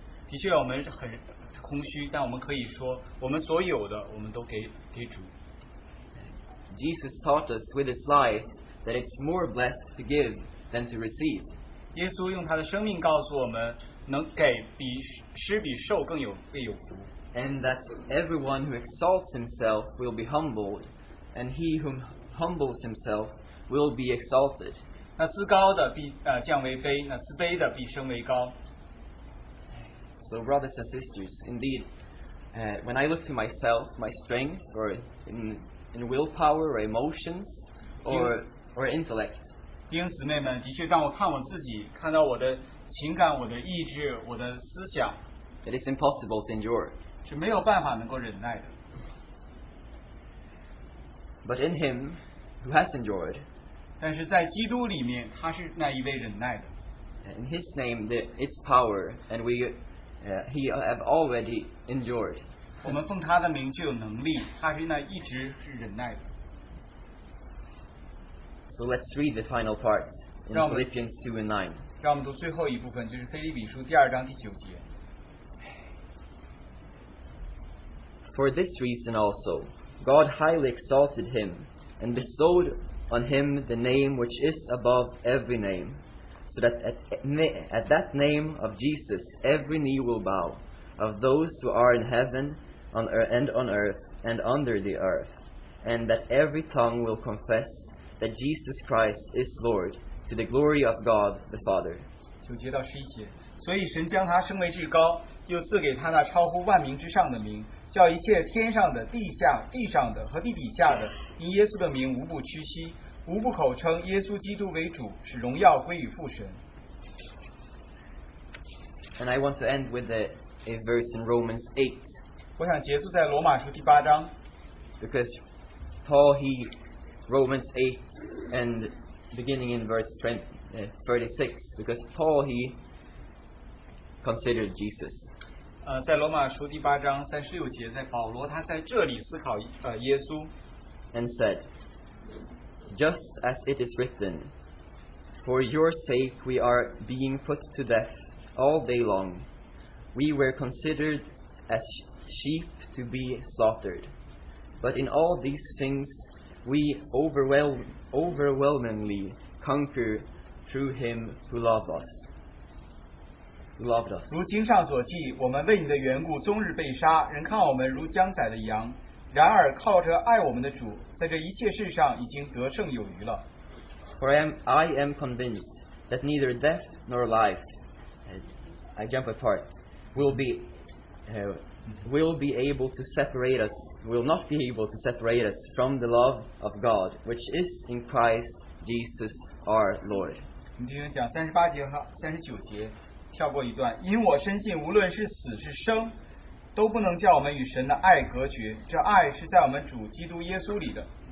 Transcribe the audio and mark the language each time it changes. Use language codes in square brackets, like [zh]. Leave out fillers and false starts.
[zh] 的确，我们很空虚，但我们可以说，我们所有的，我们都给主。 [en] Jesus taught us with his life that it's more blessed to give than to receive. [zh] 耶稣用他的生命告诉我们，能给比施比受更有被有福。 [en] And that everyone who exalts himself will be humbled, and he whom humbles himself will be exalted. [zh] 那自高的必降为卑，那自卑的必升为高。 [en] So brothers and sisters, indeed, when I look to myself, my strength, or in willpower, or emotions, or intellect. [zh] 弟兄姊妹们，的确，当我看我自己，看到我的情感、我的意志、我的思想， [en] it is impossible to endure. [zh] 是没有办法能够忍耐的。 [en] But in him who has endured, [zh] 但是在基督里面，他是那一位忍耐的。 [en] In his name, it's power, and he have already endured. [zh] 我们奉他的名就有能力，他是那一直是忍耐的。 [en] So let's read the final part in Philippians 2 and 9. [zh] 让我们读最后一部分，就是腓立比书第二章第九节。 [en] For this reason also, God highly exalted him, and bestowed on him the name which is above every name, so that at that name of Jesus every knee will bow, of those who are in heaven and on earth and under the earth, and that every tongue will confess that Jesus Christ is Lord, to the glory of God the Father. [zh] 九节到十一节，所以神将他升为至高，又赐给他那超乎万名之上的名，叫一切天上的、地下、地上的和地底下的，因耶稣的名无不屈膝，无不口称耶稣基督为主，使荣耀归于父神。 [en] And I want to end with a verse in Romans 8. [zh] 我想结束在罗马书第八章。 [en] Because Paul, he Romans 8 and beginning in verse 36, because Paul, he considered Jesus. [zh] 在罗马书第八章三十六节，在保罗他在这里思考耶稣。 [en] And said, Just as it is written, For your sake we are being put to death all day long. We were considered as sheep to be slaughtered. But in all these things we overwhelmingly conquer through him who loved us. Loved us. [zh] 如经上所记，我们为你的缘故终日被杀，人看我们如将宰的羊。然而靠着爱我们的主，在这一切事上已经得胜有余了。 [en] For I am convinced that neither death nor life, I jump apart, will not be able to separate us from the love of God, which is in Christ Jesus our Lord. [zh] 我们继续讲三十八节和三十九节。跳过一段，因我深信，无论是死是生，都不能叫我们与神的爱隔绝，这爱是在我们主基督耶稣里的。